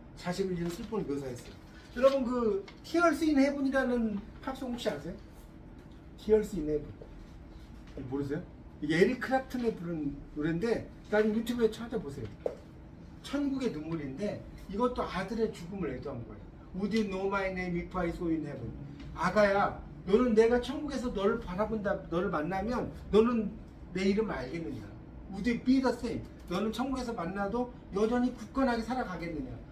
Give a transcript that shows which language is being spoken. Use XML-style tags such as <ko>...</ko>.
<ko>자식을 잃은 슬픔을 묘사했어요. 여러분 그 Tears in Heaven이라는 팝송 혹시 아세요? Tears in Heaven. 모르세요? 이게 에릭 크랩튼이 부른 노래인데 나중에 유튜브에 찾아보세요. 천국의 눈물인데 이것도 아들의 죽음을 애도한 거예요.</ko> <en>Would you know my name if I saw in heaven?</en> <ko>아가야, 너는 내가 천국에서 너를 바라본다, 너를 만나면 너는 내 이름을 알겠느냐?</ko> <en>Would you be the same?</en> <ko>너는 천국에서 만나도 여전히 굳건하게 살아가겠느냐?</ko>